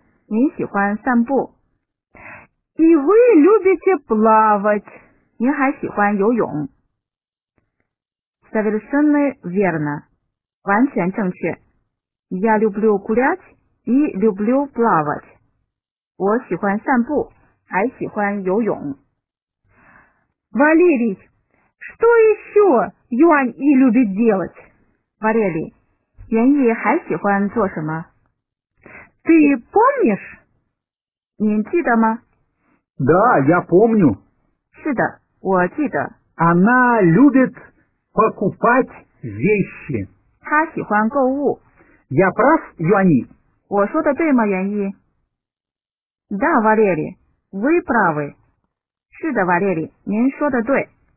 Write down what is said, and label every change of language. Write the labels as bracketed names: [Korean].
[Chinese] 您喜欢散步. [Russian] И вы любите плавать. [Chinese] 您还喜欢游泳. [Russian] Совершенно верно. [Chinese] 完全正确. [Russian] Я люблю гулять и люблю плавать. [Chinese] 我喜欢散步, 还喜欢游泳. [Russian] Валерий, Что еще Юань И любит делать? [Chinese] Варели, Юань И 还喜欢做什么？ [Russian] Ты помнишь? [Chinese] 你记得吗？ [Russian] Да, я помню. [Chinese] 是的，我记得。 [Russian] Она любит покупать вещи. [Chinese] 她喜欢购物。 [Russian] Я прав, Юань И? [Chinese] 我说的对吗，Юань И? [Russian] Да, Валерий, вы правы. [Chinese] 是的，Валерий，您说的对。